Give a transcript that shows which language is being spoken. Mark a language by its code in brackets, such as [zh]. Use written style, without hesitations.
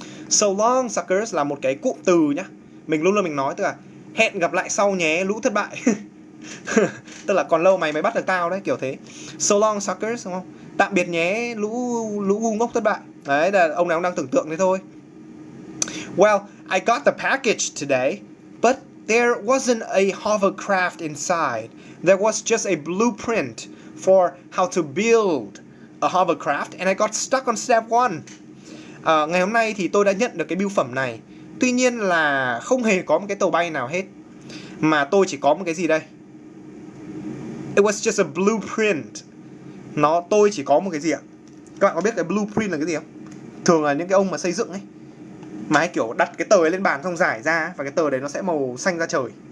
[en] So long suckers [vi] là một cái cụm từ nhá. Mình luôn luôn mình nói, tức là hẹn gặp lại sau nhé lũ thất bại. Tức là còn lâu mày mới bắt được tao đấy, kiểu thế. [en] So long suckers [vi] đúng không? Tạm biệt nhé lũ ngu ngốc thất bại. Đấy là ông này ông đang tưởng tượng thế thôi. [en] Well, I got the package today, but there wasn't a hovercraft inside. There was just a blueprint for how to build a hovercraft, and I got stuck on step one. [vi] Ngày hôm nay thì tôi đã nhận được cái bưu phẩm này. Tuy nhiên là không hề có một cái tàu bay nào hết, mà tôi chỉ có một cái gì đây? [en] It was just a blueprint. [vi] Nó, tôi chỉ có một cái gì ạ? Các bạn có biết cái blueprint là cái gì không? Thường là những cái ông mà xây dựng ấy, mà hay kiểu đặt cái tờ ấy lên bàn xong rải ra, và cái tờ đấy nó sẽ màu xanh ra trời.